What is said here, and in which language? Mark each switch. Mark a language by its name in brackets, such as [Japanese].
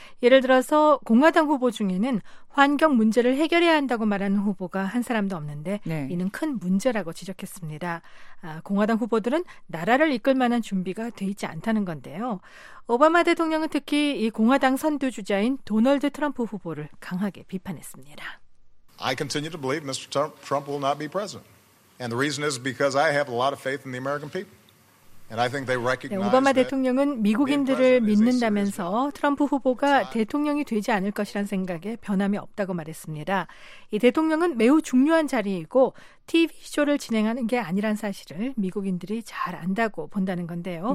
[Korean] 예를 들어서 공화당 후보 중에는 환경 문제를 해결해야 한다고 말하는 후보가 한 사람도 없는데 네. 이는 큰 문제라고 지적했습니다. 공화당 후보들은 나라를 이끌 만한 준비가 돼 있지 않다는 건데요. 오바마 대통령은 특히 이 공화당 선두 주자인 도널드 트럼프 후보를 강하게 비판했습니다. [English] I continue to believe Mr. Trump will not be president. And the reason is because I have a lot of faith in the American people. And I think they recognize [Korean] 네, 오바마 대통령은 미국인들을 믿는다면서 트럼프 후보가 대통령이 되지 않을 것이란 생각에 변함이 없다고 말했습니다. 이 대통령은 매우 중요한 자리이고 TV쇼를 진행하는 게 아니란 사실을 미국인들이 잘 안다고 본다는 건데요.